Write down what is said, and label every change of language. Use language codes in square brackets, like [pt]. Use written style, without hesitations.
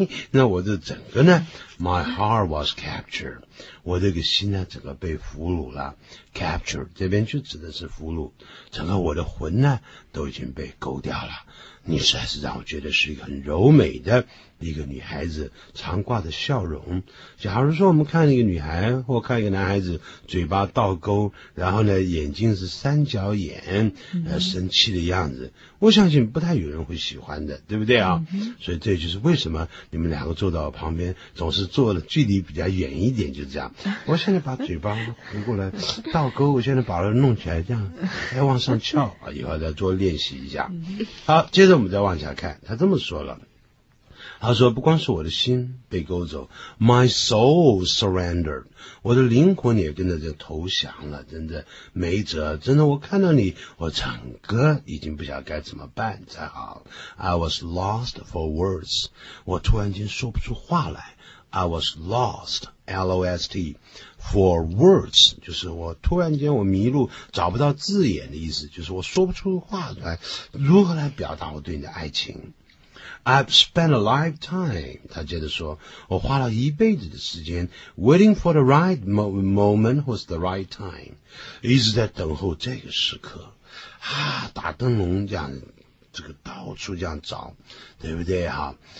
[zh] 那我的整个呢 [en] ,my heart was captured. [zh] 我这个心呢整个被俘虏了。capture, 这边就指的是俘虏。整个我的魂呢都已经被勾掉了。你实在是让我觉得是一个很柔美的一个女孩子常挂的笑容。假如说我们看一个女孩或看一个男孩子嘴巴倒勾，然后呢眼睛是三角眼，生气的样子，我相信不太有人会喜欢的，对不对啊？所以这就是为什么你们两个坐到我旁边总是坐的距离比较远一点，就这样。我现在把嘴巴回过来倒勾，我现在把它弄起来这样再往上翘啊，以后再多练习一下。好，接着我们再往下看，他这么说了，他说不光是我的心被勾走， [en] My soul surrendered， [zh] 我的灵魂也跟着这投降了，真的没辙，真的我看到你我整个已经不晓得该怎么办才好。 [en] I was lost for words， [zh] 我突然间说不出话来。 [en] I was lost L-O-S-T for words， [zh] 就是我突然间我迷路找不到字眼的意思，就是我说不出话来如何来表达我对你的爱情。 [en] I've spent a lifetime, [zh] 他接着说，我花了一辈子的时间 [en] waiting for the right moment was the right time, [zh] 一直在等候这个时刻啊，打灯笼这样这个到处这样找，对不对啊、